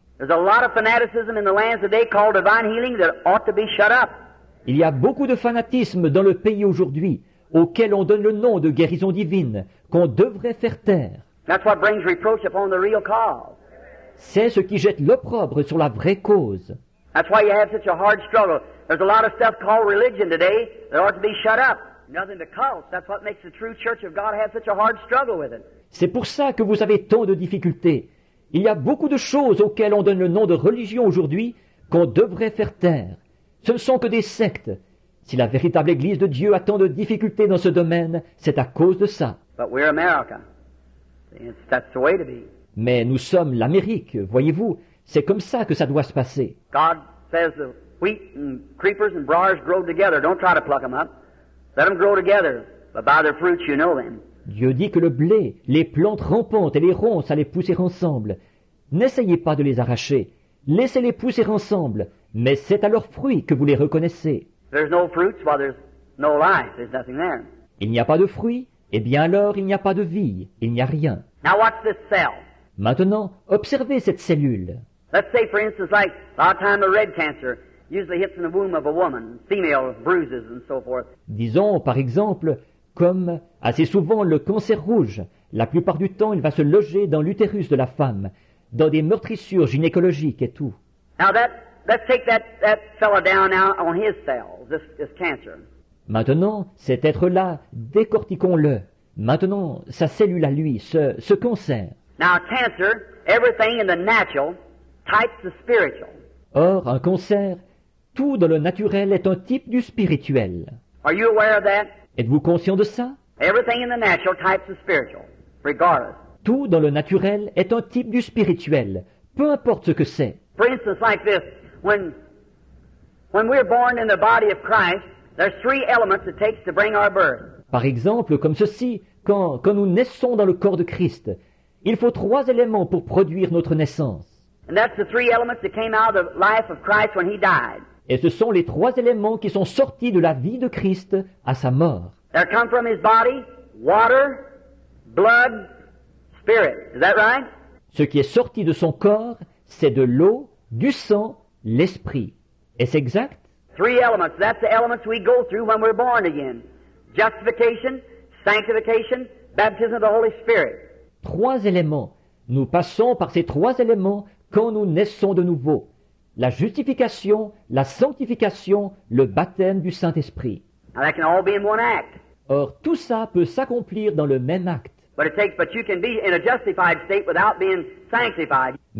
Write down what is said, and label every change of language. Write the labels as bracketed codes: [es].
[en] There's a lot of fanaticism in the lands today called divine healing that ought to be shut up. [fr] Il y a beaucoup de fanatisme dans le pays aujourd'hui auquel on donne le nom de guérison divine qu'on devrait faire taire. [en] That's what brings reproach upon the real cause. [fr] C'est ce qui jette l'opprobre sur la vraie cause. [en] That's why you have such a hard struggle. There's a lot of stuff called religion today that ought to be shut up. Nothing but cults. That's what makes the true church of God have such a hard struggle with it. [fr] C'est pour ça que vous avez tant de difficultés. Il y a beaucoup de choses auxquelles on donne le nom de religion aujourd'hui qu'on devrait faire taire. Ce ne sont que des sectes. Si la véritable Église de Dieu a tant de difficultés dans ce domaine, c'est à cause de ça. [en] But we're America. That's the way to be. [fr] Mais nous sommes l'Amérique, voyez-vous. C'est comme ça que ça doit se passer. [en] God says the wheat and creepers and briars grow together. Don't try to pluck them up. Let them grow together. But by their fruits you know them. [fr] Dieu dit que le blé, les plantes rampantes et les ronces allaient pousser ensemble. N'essayez pas de les arracher. Laissez-les pousser ensemble. Mais c'est à leurs fruits que vous les reconnaissez. [en] There's no fruits while there's no life. There's nothing there. [fr] Il n'y a pas de fruits, et bien alors il n'y a pas de vie, il n'y a rien. [en] Now watch this cell. [fr] Maintenant, observez cette cellule. [en] Let's say for instance like a lot of time a red cancer usually hits in the womb of a woman, female bruises and so forth. [fr] Disons par exemple, comme assez souvent le cancer rouge, la plupart du temps il va se loger dans l'utérus de la femme, dans des meurtrissures gynécologiques et tout. [en] Now let's take that fellow down now on his cells, this cancer. [fr] Maintenant, cet être-là, décortiquons-le. Maintenant, sa cellule à lui, ce cancer. [en] Now, cancer, everything in the natural types the spiritual. [fr] Or, un cancer, tout dans le naturel est un type du spirituel. [en] Are you aware of that? [fr] Êtes-vous conscient de ça? [en] Everything in the natural types the spiritual, regardless. [fr] Tout dans le naturel est un type du spirituel, peu importe ce que c'est. [en] For instance, like this. When we're born in the body of Christ, there's three elements it takes to bring our birth. [fr] Par exemple, comme ceci, quand nous naissons dans le corps de Christ, il faut trois éléments pour produire notre naissance. [en] And that's the three elements that came out of the life of Christ when he died. [fr] Et ce sont les trois éléments qui sont sortis de la vie de Christ à sa mort. [en] There come from his body, water, blood, spirit. Is that right? [fr] Ce qui est sorti de son corps, c'est de l'eau, du sang, l'esprit. Est-ce exact? [en] Three elements. That's the elements we go through when we're born again. Justification, sanctification, baptism of the Holy Spirit. [fr] Trois éléments. Nous passons par ces trois éléments quand nous naissons de nouveau. La justification, la sanctification, le baptême du Saint-Esprit. [en] Now that can all be in one act. [fr] Or, tout ça peut s'accomplir dans le même acte. [en] But you can be in a justified state without being sanctified.